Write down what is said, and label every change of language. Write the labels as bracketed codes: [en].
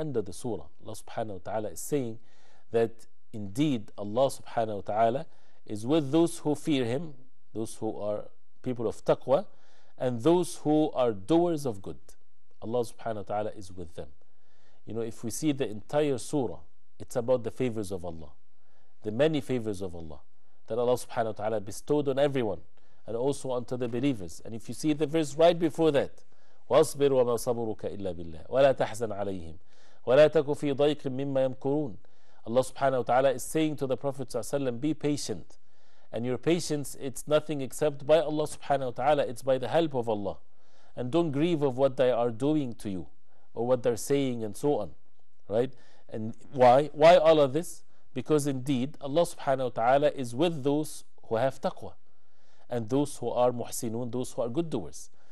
[en] The end of the surah, Allah subhanahu wa ta'ala is saying that indeed Allah subhanahu wa ta'ala is with those who fear Him, those who are people of taqwa, and those who are doers of good. Allah subhanahu wa ta'ala is with them. You know, if we see the entire surah, it's about the favors of Allah, the many favors of Allah that Allah subhanahu wa ta'ala bestowed on everyone and also unto the believers. And if you see the verse right before that, [ar] وَاصْبِرْ وَمَا صَبُرُكَ إِلَّا بِاللَّهِ وَلَا تَحْزَنْ عَلَيْهِمْ وَلَا تَكُ فِي ضَيْقٍ مِمَّا يَمْكُرُونَ. [en] Allah subhanahu wa ta'ala is saying to the Prophet ﷺ, be patient, and your patience, it's nothing except by Allah subhanahu wa ta'ala, it's by the help of Allah. And don't grieve of what they are doing to you or what they're saying and so on, right? And why all of this? Because indeed Allah subhanahu wa ta'ala is with those who have taqwa and those who are muhsinun, those who are good doers.